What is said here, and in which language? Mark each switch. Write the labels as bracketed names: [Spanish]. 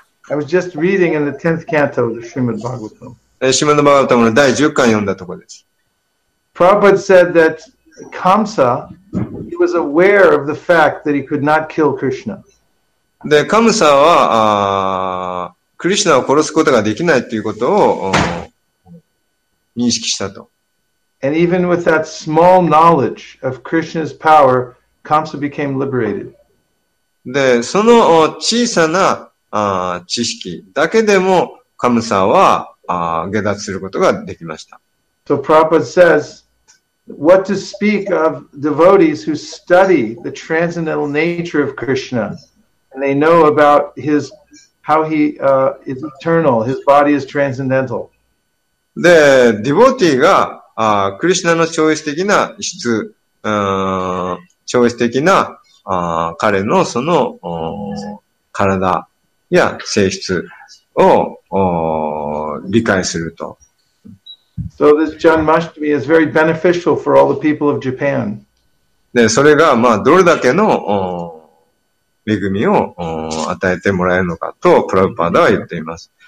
[English] I was just reading in the 10th canto of the Srimad Bhagavatam. [Japanese] Srimad Bhagavatam の第10巻読んだところです。 [English] Prabhupada said that Kamsa, he was aware of the fact that he could not kill Krishna. [Japanese] で、カムサは、クリシュナを殺すことができないということを、認識したと。 [English] And even with that small knowledge of Krishna's power, Kamsa became liberated. [Japanese] で、その小さな知識だけでも、カムサは解脱することができました。 [English] So Prabhupada says, what to speak of devotees who study the transcendental nature of Krishna? And they know about his, how he is eternal, his body is transcendental. [Japanese] で、ディボティが、クリシュナの超越的な質、超越的な、彼のその、体や性質を、理解すると。 [English] So this Janmashtami is very beneficial for all the people of Japan. [Japanese] で、それが、まあ、どれだけの、恵みを与えてもらえるのかとプラブパーダは言っています。